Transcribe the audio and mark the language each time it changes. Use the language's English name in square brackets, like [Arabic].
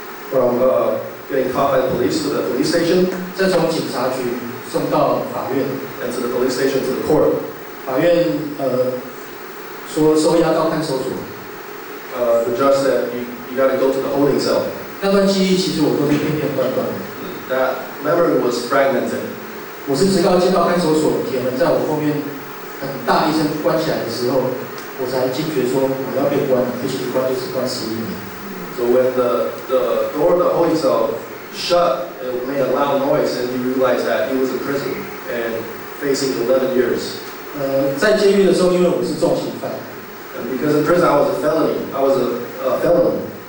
[English] From getting caught by the police to the police station, [Chinese] 再从警察局送到法院 [English] ，and to the police station to the court. [Chinese] 法院说收押到看守所。 [English] The judge said you got to go to the holding cell. [Chinese] 那段记忆其实我都是片片段段的。 [English] That memory was fragmented. [Chinese] 我是直到进到看守所，铁门在我后面很大一声关起来的时候，我才惊觉说我要被关，而且关就是关11年。 [English] So when the door of the holding cell shut, it made a loud noise, and he realized that he was in prison and facing 11 years. [Chinese] 在监狱的时候，因为我是重刑犯。 [English] And because in prison I was a felon.